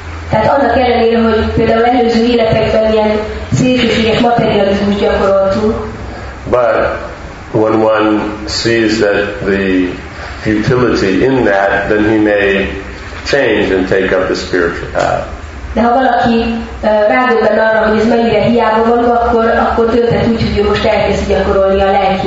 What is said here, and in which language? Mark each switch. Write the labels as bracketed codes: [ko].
[hu] Tehát annak ellenére, hogy például előző életekben ilyen szélsőséges materializmust gyakoroltunk. [en] But when one sees that the futility in that, then he may change and take up the spiritual path. [hu] De ha valaki rádöbben arra, hogy ez mennyire hiába való, akkor tölthet úgy, hogy ő most elkezdi gyakorolni a lelki